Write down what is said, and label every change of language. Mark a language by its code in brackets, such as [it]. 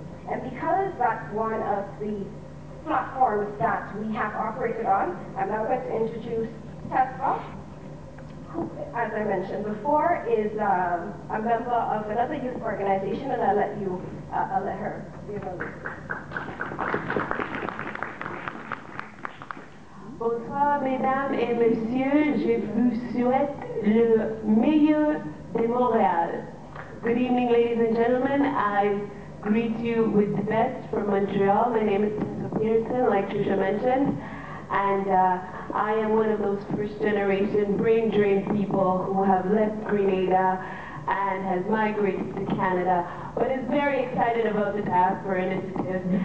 [en] And because that's one of the platforms that we have operated on, I'm now going to introduce Tessa, who, as I mentioned before, is a member of another youth organization, and I'll let you, I'll let her be a member. [fr] Bonsoir, mesdames et messieurs, je vous souhaite le meilleur de Montréal. [en] Good evening, ladies and gentlemen. I greet you with the best from Montreal. My name is Tessa Peterson, like Trisha mentioned, and I am one of those first generation brain drain people who have left Grenada and has migrated to Canada, but is very excited about the Diaspora Initiative.